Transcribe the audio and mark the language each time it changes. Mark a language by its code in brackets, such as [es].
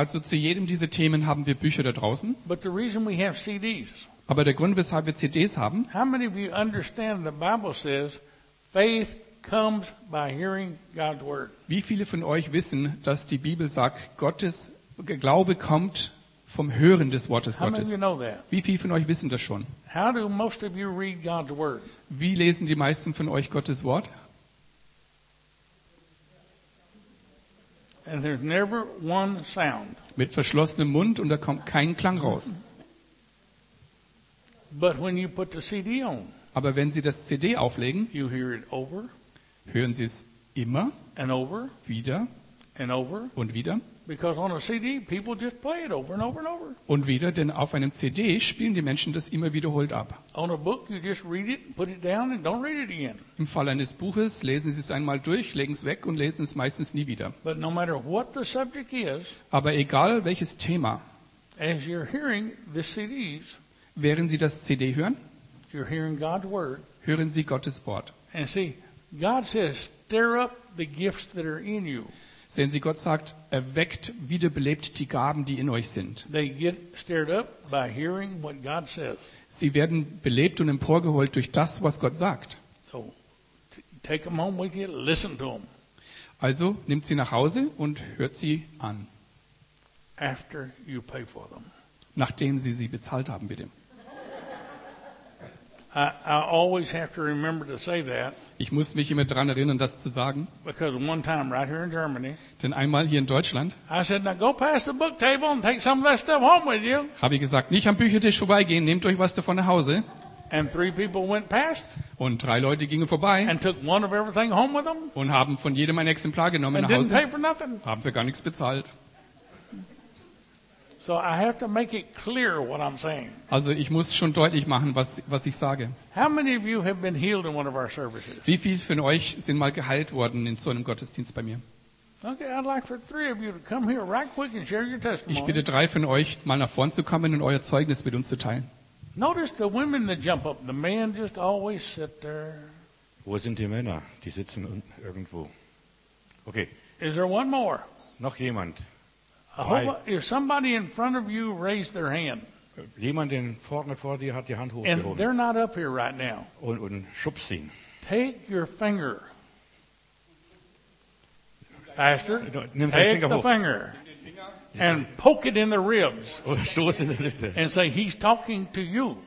[de] Also zu jedem dieser Themen haben wir Bücher da draußen. [en] But the reason we have CDs. [de] Aber der Grund, weshalb wir CDs haben. [en] How many of you understand the Bible says faith comes by hearing God's word? [de] Wie viele von euch wissen, dass die Bibel sagt, Gottes Glaube kommt vom Hören des Wortes Gottes? Wie viele von euch wissen das schon? [en] How do most of you read God's word? [de] Wie lesen die meisten von euch Gottes Wort? [en] And there's never one sound. [de] Mit verschlossenem Mund und da kommt kein Klang raus. [en] But when you put the CD on, [de] aber wenn Sie das CD auflegen, [en] you hear it over, [de] hören Sie es immer [en] and over, [de] wieder [en] and over. [de] Und wieder. [en] Because on a CD, people just play it over and over and over. [de] Und wieder, denn auf einem CD spielen die Menschen das immer wiederholt ab. [en] On a book, you just read it, put it down, and don't read it again. [de] Im Fall eines Buches lesen sie es einmal durch, legen es weg und lesen es meistens nie wieder. [en] But no matter what the subject is. [de] Aber egal welches Thema. [en] As you're hearing the CDs. [de] Während sie das CD hören. [en] You're hearing God's word. [de] Hören sie Gottes Wort. [en] And see, God says, stir up the gifts that are in you. [de] Sehen Sie, Gott sagt, erweckt, wiederbelebt die Gaben, die in euch sind. [en] They get stirred up by hearing what God says. [de] Sie werden belebt und emporgeholt durch das, was Gott sagt. [en] So, take them home with you, listen to them. [de] Also, nimmt sie nach Hause und hört sie an. [en] After you pay for them. [de] Nachdem Sie sie bezahlt haben, bitte. [en] I always have to remember to say that. [de] Ich muss mich immer daran erinnern, das zu sagen. [en] Because one time right here in Germany. [de] Denn einmal hier in Deutschland. [en] I said, now go past the book table and take some of that stuff home with you. [de] Habe ich gesagt, nicht am Büchertisch vorbeigehen, nehmt euch was davon nach Hause. [en] And three people went past. [de] Und drei Leute gingen vorbei. [en] And took one of everything home with them. [de] Und haben von jedem ein Exemplar genommen nach Hause. [en] And didn't pay for nothing. [de] Haben für gar nichts bezahlt. [en] So I have to make it clear what I'm saying. [de] Also, ich muss schon deutlich machen, was ich sage. [en] How many of you have been healed in one of our services? [de] Wie viele von euch sind mal geheilt worden in so einem Gottesdienst bei mir? [en] Okay, I'd like for three of you to come here right quick and share your testimony. [de] Ich bitte drei von euch, mal nach vorn zu kommen und euer Zeugnis mit uns zu teilen. [en] Notice the women that jump up. The men just always sit there. [de] Wo sind die Männer? Die sitzen unten irgendwo. Okay. [en] Is there one more? [de] Noch jemand? [en] If somebody in front of you raised their hand. [de] Jemand in vorne vor dir hat die Hand hochgehoben. [en] And they're not up here right now. [de] Und schubst ihn. [en] Take your finger. [de] Pastor, nimm [en] take [de] Finger [en] the [de] hoch. [en] Finger. And poke it in the ribs. [de] Stoß in die Lippe. [en] And say, he's talking to you.